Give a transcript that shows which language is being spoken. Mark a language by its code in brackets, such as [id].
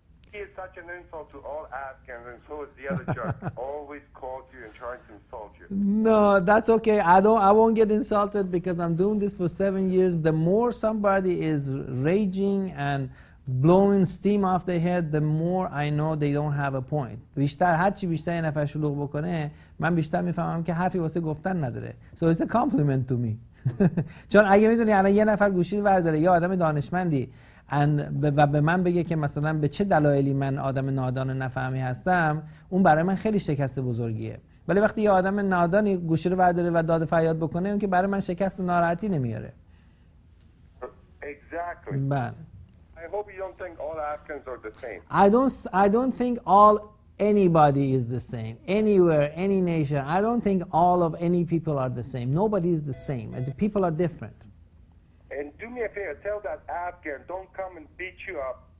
[en] He is such an insult to all Afghans, and so is the other jerk. Always calls you and tries to insult you. No, that's okay. I won't get insulted because I'm doing this for 7 years. The more somebody is raging and blowing steam off the head, the more I know they don't have a point. [fa] بیشتر هر چی بیشتر یه نفر شلوغ بکنه، من بیشتر میفهمم که حرفی واسه گفتن نداره. [en] So it's a compliment to me. [fa] چون اگه میدونی الان یه نفر گوشی ورداره، یه آدم دانشمندی، و به من بگه که مثلا به چه دلایلی من آدم نادان نفهمی هستم، اون برای من خیلی شکست بزرگیه. ولی وقتی یه آدم نادانی گوشی رو ورداره و داد فریاد بکنه، اون که برای من شکست ناراحتی نمیاره. [en] Exactly. [fa] بله. [en] I hope you don't think all Afghans are the same. I don't think all anybody is the same. Anywhere, any nation. I don't think all of any people are the same. Nobody is the same. And the people are different. And do me a favor, tell that Afghan, don't come and beat you up.